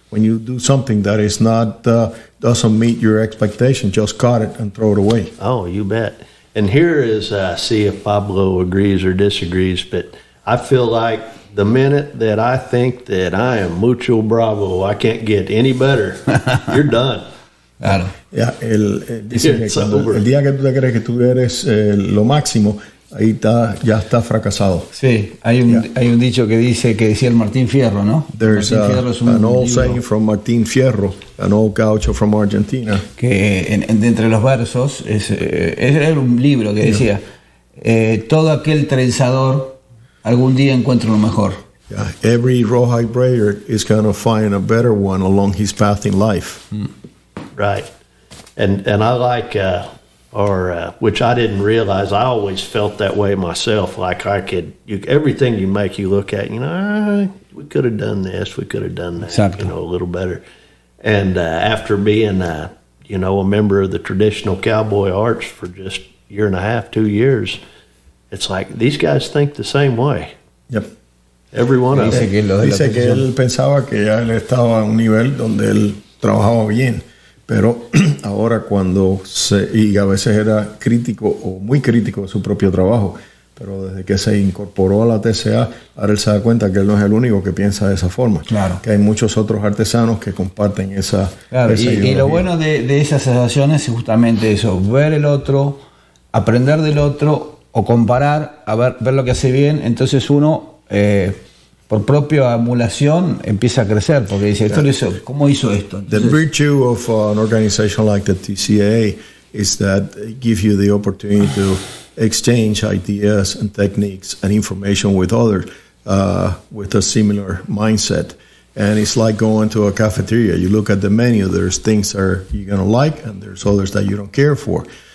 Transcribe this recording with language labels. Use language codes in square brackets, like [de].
[en] When you do something that is not doesn't meet your expectation, just cut it and throw it away. Oh, you bet. And here is see if Pablo agrees or disagrees, but I feel like the minute that I think that I am [es] mucho bravo, [en] I can't get any better, you're done. [es] Claro. Yeah, el día que tú te crees que tú eres lo máximo, ahí está, ya está fracasado. Sí, hay un dicho que decía el Martín Fierro, ¿no? [en] There's an old saying from Martín Fierro, an old gaucho from Argentina. [es] Que entre los versos, era un libro que decía, todo aquel trenzador algún día encuentro lo mejor. [en] Yeah, every rawhide braider is going to find a better one along his path in life. Right. And I like, which I didn't realize, I always felt that way myself. Like I could, everything you make, you look at, you know, we could have done this, we could have done that, exactly. You know, a little better. And after being, a member of the traditional cowboy arts for just a year and a half, 2 years, it's like these guys think the same way. Yep. Every one of them. [es] Dice que él pensaba que ya él estaba a un nivel donde él trabajaba bien, pero ahora cuando se y a veces era crítico o muy crítico de su propio trabajo, pero desde que se incorporó a la TCA, ahora él se da cuenta que él no es el único que piensa de esa forma. Claro. Que hay muchos otros artesanos que comparten esa. Claro. Y lo bueno de esas asociaciones es justamente eso: ver el otro, aprender del otro. O comparar, a ver lo que hace bien, entonces uno, por propia emulación, empieza a crecer, porque dice, esto lo hizo, ¿cómo hizo esto? Entonces, [en] the virtue of an organization like the TCAA is that it gives you the opportunity to exchange ideas and techniques and information with others. with a similar mindset. And it's like going to a cafeteria. You look at the menu, there's things that you're going to like, and there's others that you don't care for.